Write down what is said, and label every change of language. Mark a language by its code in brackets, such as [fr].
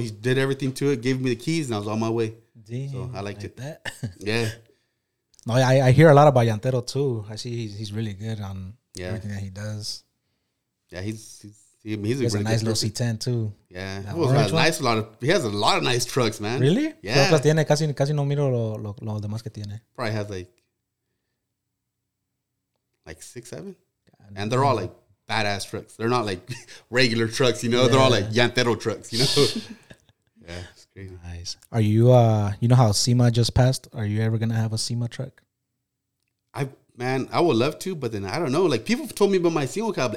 [en] He did everything to it, gave me the keys, and I was on my way. Damn, so I liked like it. That. Yeah. No, I hear a lot about Yantero, too. I see he's really good on everything that he does. Yeah, he's a nice little C10, too. Yeah. He has a lot of nice trucks, man. Really? Yeah. Pero [es] tiene casi no miro lo demás que tiene. [en] Probably has like 6, 7. God. And they're all like badass trucks. They're not like regular trucks, you know? Yeah. They're all like Yantero trucks, you know? Yeah, it's crazy. Nice. Are you, you know how SEMA just passed? Are you ever going to have a SEMA truck? I would love to, but then I don't know. Like, people have told me about my SEMA cab.